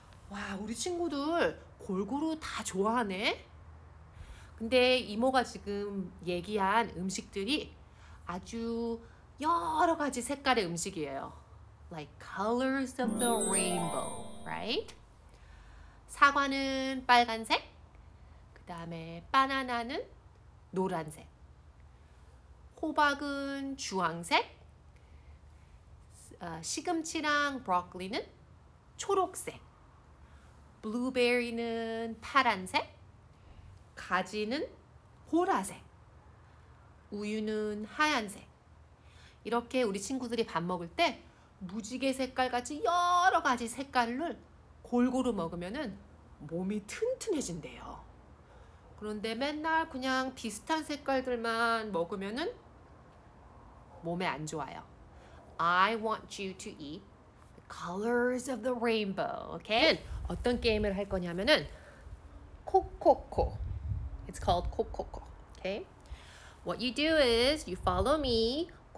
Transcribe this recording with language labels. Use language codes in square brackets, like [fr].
[ko] 와, 우리 친구들 골고루 다 좋아하네. 근데 이모가 지금 얘기한 음식들이 아주 여러 가지 색깔의 음식이에요. [en] Like colors of the rainbow, right? [ko] 사과는 빨간색, 그 다음에 바나나는 노란색, 호박은 주황색, 시금치랑 브로콜리는 초록색, 블루베리는 파란색, 가지는 보라색, 우유는 하얀색. 이렇게 우리 친구들이 밥 먹을 때 무지개 색깔 같이 여러 가지 색깔을 골고루 먹으면은 몸이 튼튼해진대요. 그런데 맨날 그냥 비슷한 색깔들만 먹으면은 몸에 안 좋아요. [en] I want you to eat the colors of the rainbow. Okay? [ko] 어떤 게임을 할 거냐면은 코코코. [en] It's called 코코코. Okay? What you do is you follow me.